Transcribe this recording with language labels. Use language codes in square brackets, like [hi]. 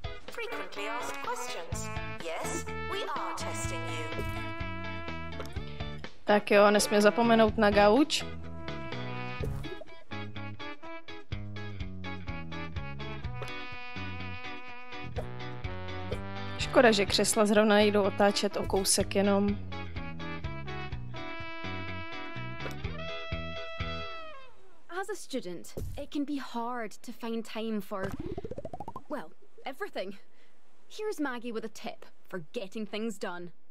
[en] Frequently asked questions. Yes, we are testing you. [cs] Tak jo, nesmím zapomenout na gauč. Škoda, že křesla zrovna jdou otáčet o kousek jenom. [en] As a student, it can be hard to find time for, well, everything. Here's Maggie with a tip for getting things done.